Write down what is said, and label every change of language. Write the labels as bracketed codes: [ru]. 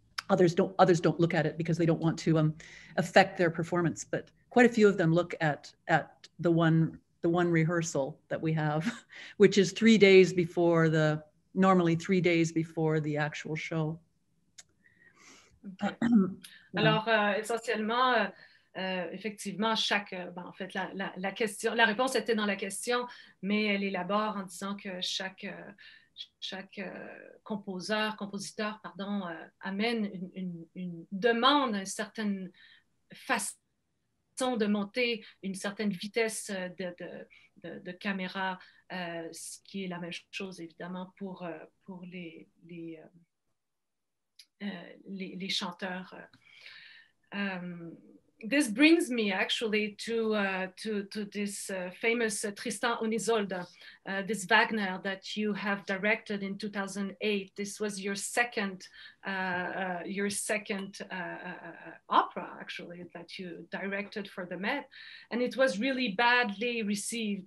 [en] Others don't look at it because they don't want to affect their performance. But quite a few of them look at the one rehearsal that we have, which is 3 days before the, normally 3 days before the actual show. Okay. [fr] Alors, essentiellement, effectivement, chaque, ben, en fait, la question, la réponse était dans la question, mais elle élabore en disant que chaque compositeur amène une demande, une certaine façon de monter, une certaine vitesse de caméra, ce qui est la même chose évidemment pour les chanteurs. [en] This brings me actually to this famous Tristan und Isolde, this Wagner that you have directed in 2008. This was your second opera actually that you directed for the Met, and it was really badly received.